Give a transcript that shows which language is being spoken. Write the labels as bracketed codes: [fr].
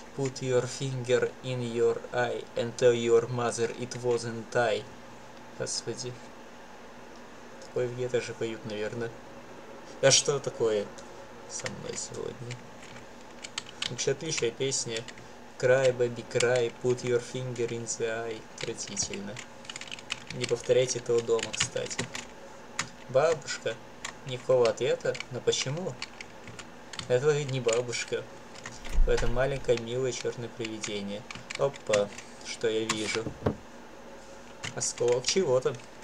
[en] Put your finger in your eye and tell your mother it wasn't I. [ru] Господи. Такой в ней даже поют, наверное. А что такое со мной сегодня? Вообще отличная песня. [en] Cry, baby, cry, put your finger in the eye. [ru] Отвратительно. Не повторяйте этого дома, кстати. Бабушка? Никакого ответа? Но почему? Это ведь не бабушка. Это маленькое милое черное привидение. Опа, что я вижу? Осколок чего-то.